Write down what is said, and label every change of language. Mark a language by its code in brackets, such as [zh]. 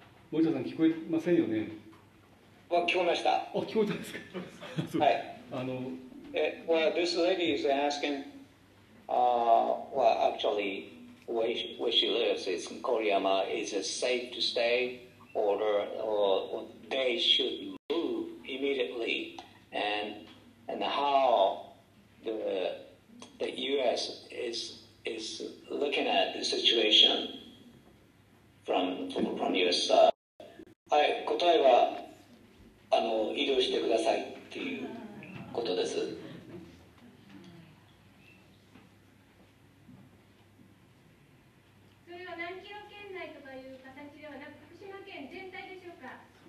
[ja] 森田さん、聞こえませんよね。あ、聞こえました。あ、聞こえたんですか。はい。あの、 [en] well, this lady is asking, well, actually, where she lives, it's in Koryama, is it safe to stay, or they should move immediately, and how the U.S. is looking at the situation from U.S. side. [ja] はい、答えは移動してくださいっていうことです。それは何キロ圏内とかいう形ではなく、福島県全体でしょうか。